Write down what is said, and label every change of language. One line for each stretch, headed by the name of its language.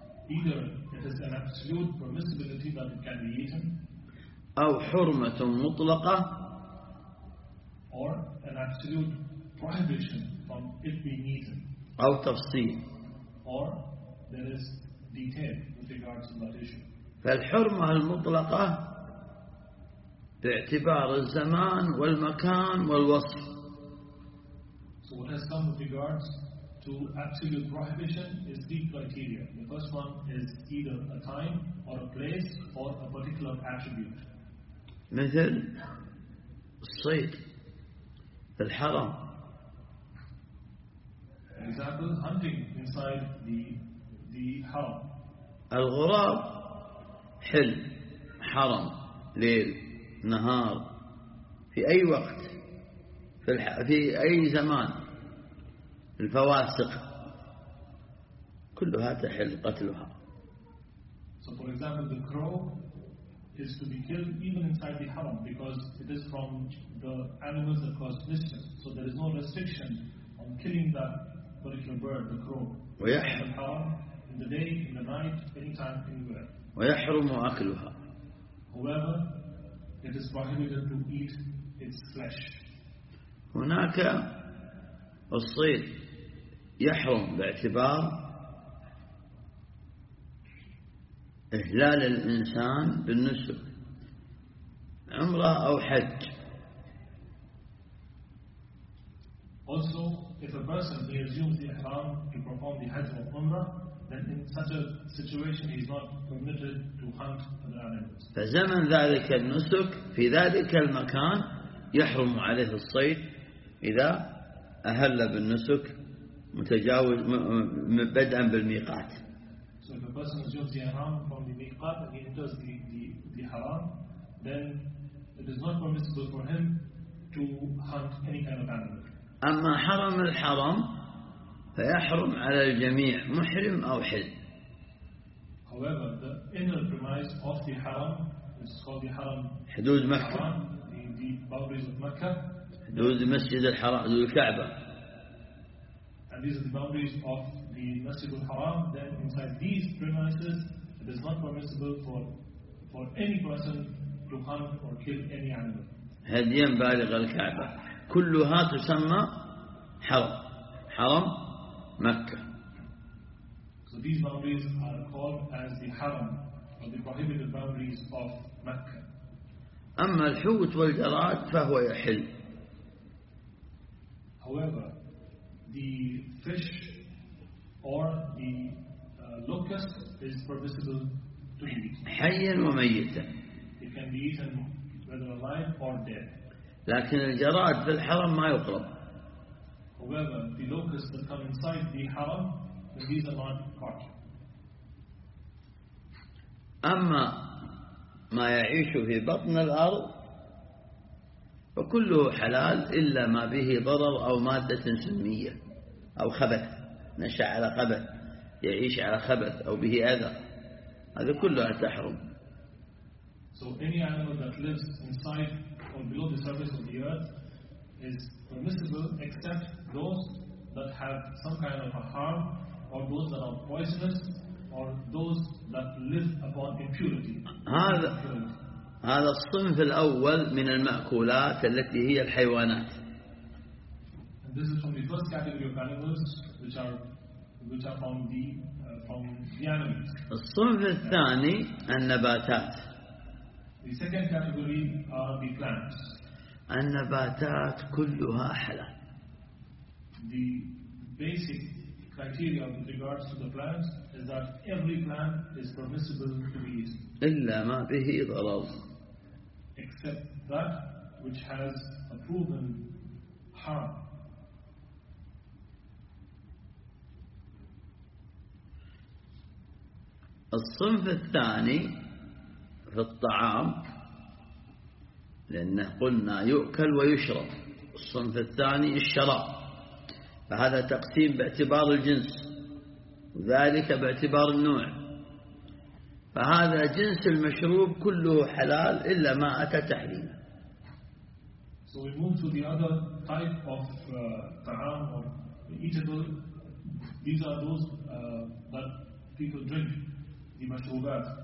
English: Either it is an absolute permissibility that it can be eaten.
Arabic: أو حرمة مطلقة.
English: Or an absolute prohibition from it being eaten.
Arabic: أو تفصيل.
English: Or there is detail with regards to that issue.
Arabic: فالحرمة المطلقة باعتبار الزمان والمكان والوصف.
English: So what has come with regards to absolute prohibition is three criteria. The first one is either a time or a place or a particular attribute.
Arabic: مثل الصيد في الحرم.
English: For example, hunting inside the haram.
Arabic: الغراب حل حرم ليل نهار في أي وقت في أي زمان. الفواسق كلها تحل قتلها.
English: So for example, the crow is to be killed even inside the haram because it is from the animals that cause mischief. So there is no restriction on killing that particular bird, the crow.
Arabic: ويحرم
English: in the haram, in the day, in the night, anytime, anywhere.
Arabic: ويحرم أكلها.
English: However, it is prohibited to eat its flesh.
Arabic: هناك الصيد يحرم باعتبار إهلال الإنسان بالنسب عمرة أو حج.
English: Also, if a person presumes the ihram to perform the hajj or umrah, then in such a situation he is not permitted to hunt other animals.
Arabic: فزمن ذلك النسك في ذلك المكان يحرم عليه الصيد إذا أهل بالنسك متجاوز بدءا بالميقات.
English: So if a person assumes the haram from the miqat and he enters the haram, then it is not permissible for him to hunt any kind of animal.
Arabic: أما حرم الحرم فيحرم على الجميع محرم أو حل.
English: However, the inner premise of the haram is called the haram.
Arabic: حدود مكة.
English: The boundaries of Mecca.
Arabic: حدود المسجد الحرام، حدود الكعبة.
English: And these are the boundaries of the Masjid al-Haram. Then inside these premises, it is not permissible for any person to hunt or kill any animal.
Arabic: هديًا بالغ الكعبة كلها تسمى حرم. حرم مكة.
English: So these boundaries are called as the Haram or the prohibited boundaries of Mecca.
Arabic: أما الحوت والجراد فهو يحل.
English: However, the fish or the locust is permissible to eat. It can be eaten whether alive or dead.
Arabic: لكن الجراد في الحرم ما يطلب.
English: However, the locusts that come inside the haram, these are not caught.
Arabic: أما ما يعيش في بطن الأرض فكله حلال إلا ما به ضرر أو مادة سمية أو خبث نشأ على خبث يعيش على خبث أو به أذى هذا كله تحرم.
English: So any animal that lives inside or below the surface of the earth is permissible except those that have some kind of a harm or those that are poisonous or those that live upon impurity.
Arabic: هذا هذا الصنف الأول من المأكولات التي هي الحيوانات.
English: And this is from the first category of animals which are from the animals.
Arabic: الصنف الثاني النباتات.
English: The second category are the plants.
Arabic: النباتات كلها حلال.
English: The basic criteria with regards to the plants is that every plant is permissible to be eaten.
Arabic: إلا ما به ضرر.
English: Except that which has a proven harm.
Arabic: الصنف الثاني في الطعام لأنه قلنا يؤكل ويشرب الصنف الثاني الشراب فهذا تقسيم باعتبار الجنس وذلك باعتبار النوع فهذا جنس المشروب كله حلال إلا ما أتى تحريمه.
English: So we move to the other type of ta'am or eatable. These are those that people drink, the mashrubat.